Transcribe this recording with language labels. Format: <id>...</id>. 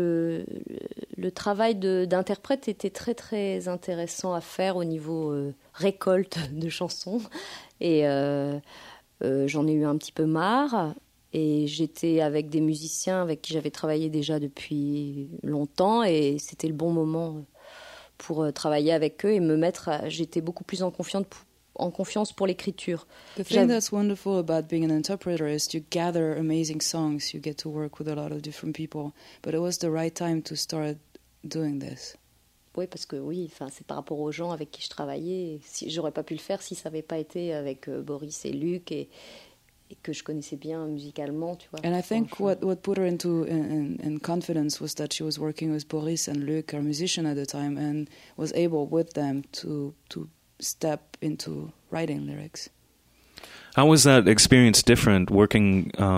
<fr>En fait, le travail d'interprète était très très intéressant à faire au niveau récolte de chansons, et j'en ai eu un petit peu marre, et j'étais avec des musiciens avec qui j'avais travaillé déjà depuis longtemps, et c'était le bon moment pour travailler avec eux et me mettre j'étais beaucoup plus en confiance pour l'écriture.</fr> <en>The thing that's wonderful about being an interpreter is you gather amazing songs, you get to work with a lot of different people, but it was the right time to start doing this.</en> <fr>Oui, parce que oui, c'est par rapport aux gens avec qui je travaillais. Si, j'aurais pas pu le faire si ça avait pas été avec Boris et Luc et que je connaissais bien musicalement, tu vois.</fr> <en>And I think what put her into confidence was that she was working with Boris and Luc, her musician at the time, and was able with them to step into writing lyrics. How was that experience different working?</en>